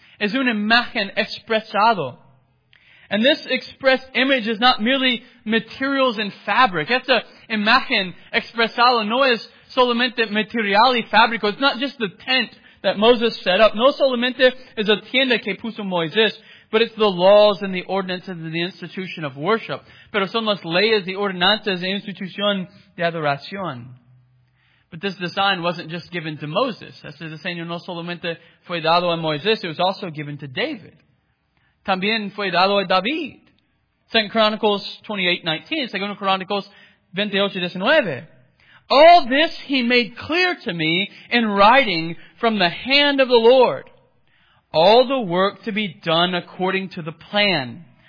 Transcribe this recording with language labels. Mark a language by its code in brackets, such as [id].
[es] Es una imagen expresado. [en] And this expressed image is not merely materials and fabric. [es] Esta imagen expresado no es solamente material y fabrico. [en] It's not just the tent that Moses set up. [es] No solamente es la tienda que puso Moisés. [en] But it's the laws and the ordinances and the institution of worship. [es] Pero son las leyes y ordenanzas e institución de adoración. [en] But this design wasn't just given to Moses. [es] Este diseño no solamente fue dado a Moisés, [en] it was also given to David. [es] También fue dado a David. [en] 2 Chronicles 28:19, 2 Chronicles 28:19. All this he made clear to me in writing from the hand of the Lord. All the work to be done according to the plan.